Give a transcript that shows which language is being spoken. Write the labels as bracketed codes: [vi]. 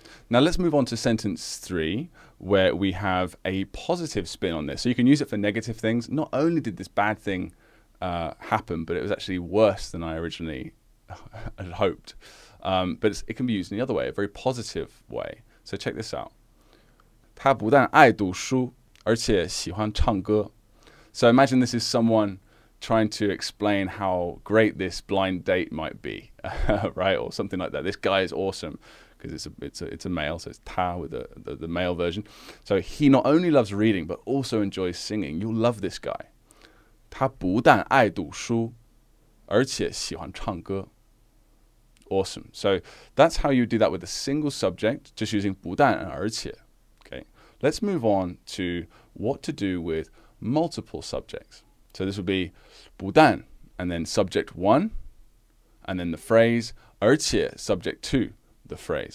[en] Now let's move on to sentence three, where we have a positive spin on this. So you can use it for negative things. Not only did this bad thing happen, but it was actually worse than I originally had hoped. But it can be used in the other way, a very positive way. So check this out. [zh] 他不但爱读书，而且喜欢唱歌。 [en] So imagine this is someone trying to explain how great this blind date might be, right? Or something like that. This guy is awesome, because it's a male, so it's 他 with the male version. So he not only loves reading, but also enjoys singing. You'll love this guy. [zh] 他不但爱读书，而且喜欢唱歌。 [en] Awesome. So that's how you do that with a single subject, just using 不但and 而且. Okay. Let's move on to what to do with multiple subjects. So this would be 不但 and then subject one, and then the phrase 而且 subject two, the phrase.